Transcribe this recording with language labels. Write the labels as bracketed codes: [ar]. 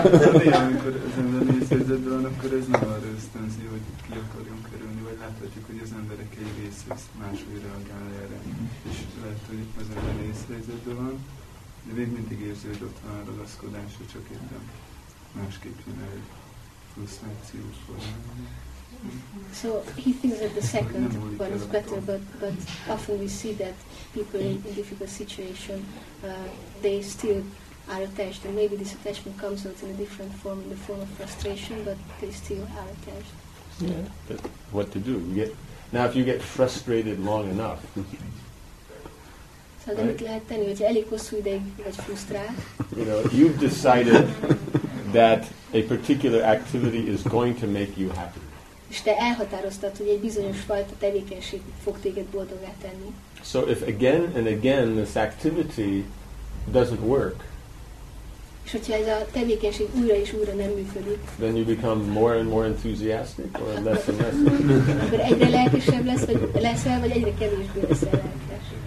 [hu] Az ilyen, amikor az ember nehéz helyzetben van, akkor ez nem arra ösztönzi, hogy ki akarjon kerülni, vagy láthatjuk, hogy az emberek egy része máshogy reagál erre. És lehet, hogy az ember nehéz helyzetben van, de még mindig érzi, hogy ott van a ragaszkodás, hogy csak éppen másképp jön el frusztráció formában. [en] So he thinks that the second one is better, but often we see that people in difficult situation, they still are attached, and maybe this attachment comes out in a different form, in the form of frustration, but they still are attached. Yeah, but what to do? Now if you get frustrated long enough. So then it [hu] lehet tenni, hogy elég hosszú ideig vagy frusztrál. [en] You know, you've decided that a particular activity is going to make you happy. [hu] És te elhatároztad, hogy egy bizonyos fajta tevékenység fog téged boldoggá tenni. [en] So if again and again this activity doesn't work. [hu] És hogyha ez a tevékenység újra és újra nem működik. [en] Then you become more and more enthusiastic or less and less. [hu] Akkor egyre lelkesebb lesz, vagy leszel, vagy egyre kevésbé leszel lelkes.